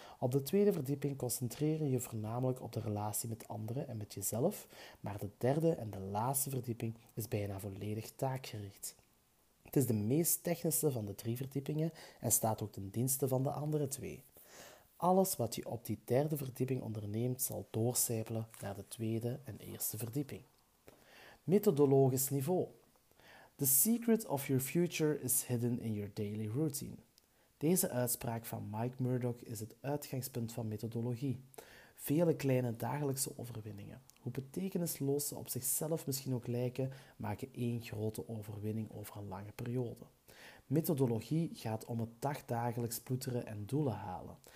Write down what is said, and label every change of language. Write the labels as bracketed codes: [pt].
[nl] Op de tweede verdieping concentreer je je voornamelijk op de relatie met anderen en met jezelf, maar de derde en de laatste verdieping is bijna volledig taakgericht. Het is de meest technische van de 3 verdiepingen en staat ook ten dienste van de andere 2. Alles wat je op die derde verdieping onderneemt zal doorsijpelen naar de tweede en eerste verdieping. Methodologisch niveau. [en] The secret of your future is hidden in your daily routine. [nl] Deze uitspraak van Mike Murdoch is het uitgangspunt van methodologie. Vele kleine dagelijkse overwinningen, hoe betekenisloos ze op zichzelf misschien ook lijken, maken één grote overwinning over een lange periode. Methodologie gaat om het dagdagelijks ploeteren en doelen halen.